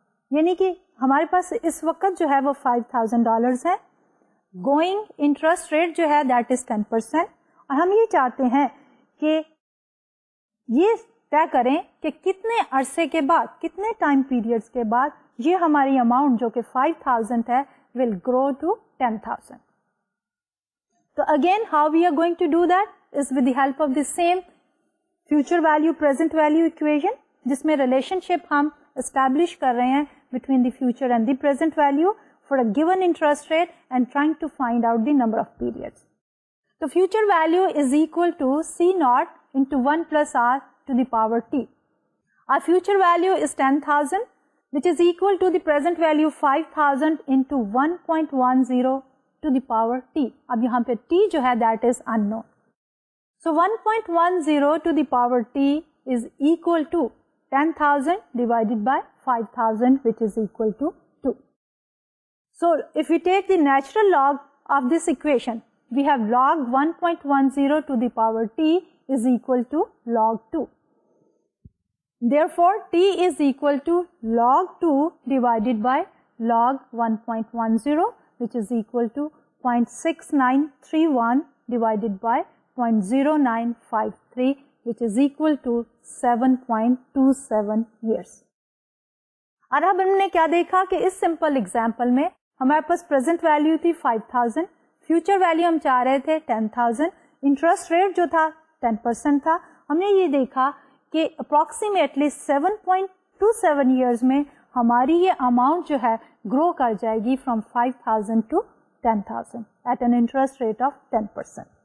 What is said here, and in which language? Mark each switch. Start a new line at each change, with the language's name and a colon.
Urdu: یعنی کہ ہمارے پاس اس وقت جو ہے وہ $5,000 ہے, going interest rate جو ہے
English: that is 10%,
Urdu: اور ہم یہ چاہتے ہیں کہ یہ طے کریں کہ کتنے عرصے کے بعد, کتنے time periods کے بعد یہ ہماری amount جو کہ 5,000 ہے
English: will grow to 10,000. So again, how we are going to do that is with the help of the same future value, present value equation. This
Urdu: mein relationship hum establish kar rahe hain
English: between the future and the present value for a given interest rate and trying to find out the number of periods. So future value is equal to C naught into 1 plus R to the power T. Our future value is 10,000, which is equal to the present value 5,000 into 1.10. to the power t.
Urdu: اب یہاں پہ t جو ہے
English: that is unknown. So 1.10 to the power t is equal to 10,000 divided by 5,000 which is equal to 2. So if we take the natural log of this equation, we have log 1.10 to the power t is equal to log 2. Therefore t is equal to log 2 divided by log 1.10 which is equal to 0.6931 divided by 0.0953 which is equal to 7.27 years.
Urdu: اور اب ہم نے کیا دیکھا کہ اس simple example میں ہمارے پاس present value تھی 5,000, فیوچر ویلو ہم چاہ رہے تھے 10,000, انٹرسٹ ریٹ جو تھا 10% تھا. ہم نے یہ دیکھا کہ اپروکسیمیٹلی 7.27 years میں ہماری یہ اماؤنٹ جو ہے گرو کر جائے گی
English: From 5,000 to 10,000 at an interest rate of 10%.